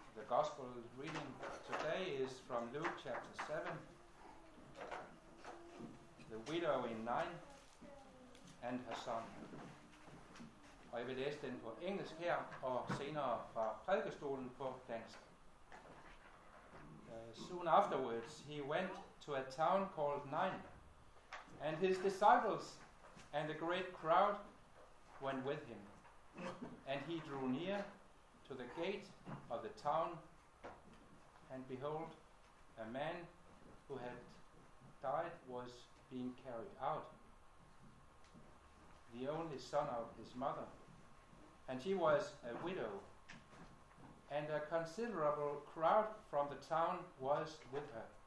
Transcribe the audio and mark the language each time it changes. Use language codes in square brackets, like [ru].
[en] Gospel reading today is from Luke chapter 7, the widow in Nain and her son. [da] Og jeg vil læse den på engelsk her, og senere fra prædikestolen på dansk. [en] Soon afterwards, he went to a town called Nain, and his disciples and a great crowd went with him. And he drew near to the gate of the town, and behold, a man who had died was being carried out, the only son of his mother, and she was a widow, and a considerable crowd from the town was with her.